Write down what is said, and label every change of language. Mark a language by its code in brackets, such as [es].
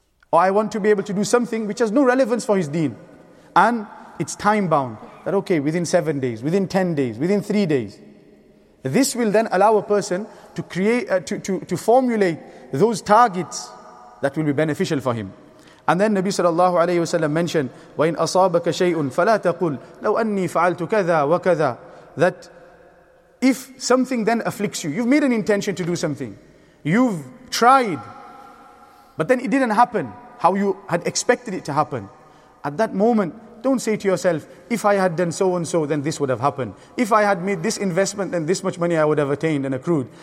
[en] Or I want to be able to do something which has no relevance for his deen. And it's time bound. That okay, within 7 days, within 10 days, within 3 days. This will then allow a person to create, to formulate those targets that will be beneficial for him. And then Nabi sallallahu alayhi wa sallam mentioned, [ar] وَإِنْ أَصَابَكَ شَيْءٌ فَلَا تَقُلْ لَوْ أَنِّي فَعَلْتُ كَذَا وَكَذَا. [en] That if something then afflicts you, you've made an intention to do something, you've tried, but then it didn't happen how you had expected it to happen. At that moment, don't say to yourself, if I had done so and so, then this would have happened. If I had made this investment, then this much money I would have attained and accrued.